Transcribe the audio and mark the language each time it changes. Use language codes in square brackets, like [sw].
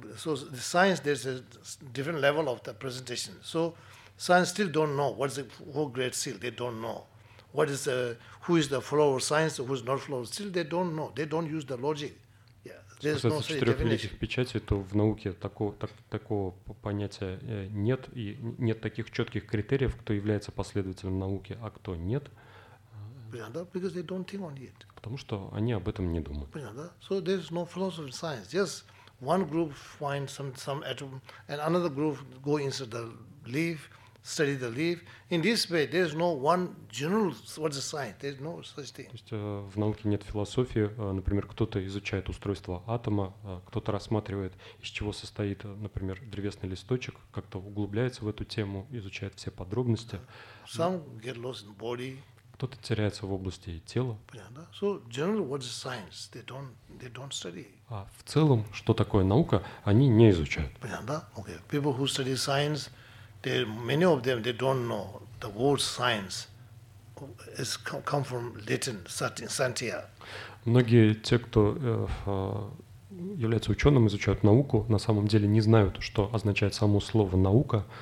[en] So the science, there's a different level of the presentation. So science still don't know what is the four great seal. They don't know. What is who is the flower science, who is not flower? Still, they don't know. They don't use the logic. Yeah, there's no such definition. [ru] То в науке такого понятия нет, и нет таких четких критериев, кто является последователем науки, а кто нет. [en] Because they don't think on it. [ru] Потому что они об этом не думают. [en] So there's no philosophy of science. Just one group finds some atom, and another group go inside the leaf. Study the leaf. In this way, there is no one general what's a science. There is no such thing. [ru] То есть в науке нет философии. Например, кто-то изучает устройство атома, кто-то рассматривает, из чего состоит, например, древесный листочек, как-то углубляется в эту тему, изучает все подробности. [en] Some get lost in body. [ru] Кто-то теряется в области тела. Понятно. [en] So generally, what's a science? They don't study. [ru] А в целом, что такое наука, они не изучают. Понятно. [en] Okay. People who study science. There many of them they don't know the word science is come from Latin scientia. [ru] Многие те, кто является ученым, изучают науку, на самом деле не знают, что означает само слово наука.